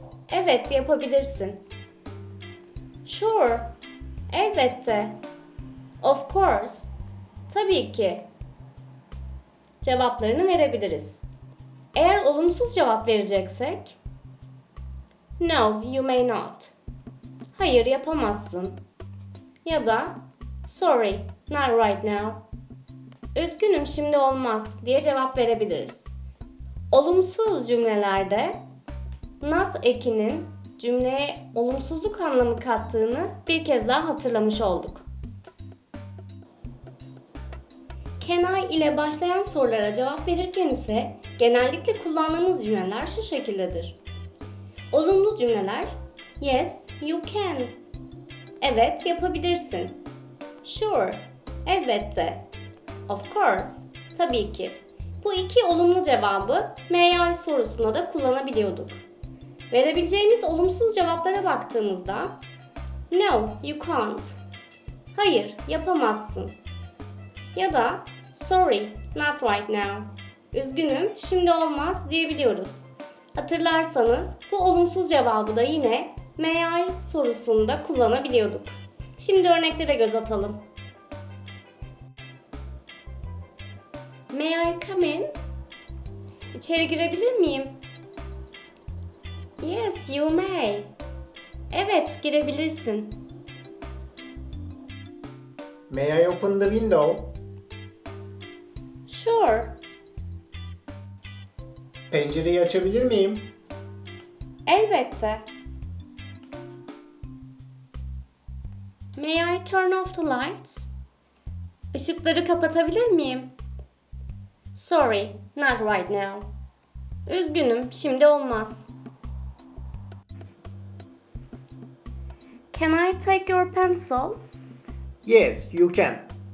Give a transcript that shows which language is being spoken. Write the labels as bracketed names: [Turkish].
[Turkish] Evet, yapabilirsin. [English] Sure. [Turkish] Elbette. [English] Of course. [Turkish] Tabii ki. Cevaplarını verebiliriz. Eğer olumsuz cevap vereceksek [English] No, you may not. [Turkish] Hayır, yapamazsın. Ya da [English] Sorry, not right now. [Turkish] Üzgünüm, şimdi olmaz diye cevap verebiliriz. Olumsuz cümlelerde not ekinin cümleye olumsuzluk anlamı kattığını bir kez daha hatırlamış olduk. Can I ile başlayan sorulara cevap verirken ise genellikle kullandığımız cümleler şu şekildedir. Olumlu cümleler [English] Yes, you can. [Turkish] Evet, yapabilirsin. [English] Sure, [Turkish] elbette. [English] Of course, [Turkish] tabii ki. Bu iki olumlu cevabı may I sorusuna da kullanabiliyorduk. Verebileceğimiz olumsuz cevaplara baktığımızda [English] No, you can't. [Turkish] Hayır, yapamazsın. Ya da [English] Sorry, not right now. [Turkish] Üzgünüm, şimdi olmaz diyebiliyoruz. Hatırlarsanız bu olumsuz cevabı da yine may I sorusunda kullanabiliyorduk. Şimdi örneklere göz atalım. [English] May I come in? [Turkish] İçeri girebilir miyim? [English] Yes, you may. [Turkish] Evet, girebilirsin. [English] May I open the window? Sure. [Turkish] Pencereyi açabilir miyim? Elbette. [English] May I turn off the lights? [Turkish] Işıkları kapatabilir miyim? [English] Sorry, not right now. [Turkish] Üzgünüm, şimdi olmaz. [English] Can I take your pencil? Yes, you can.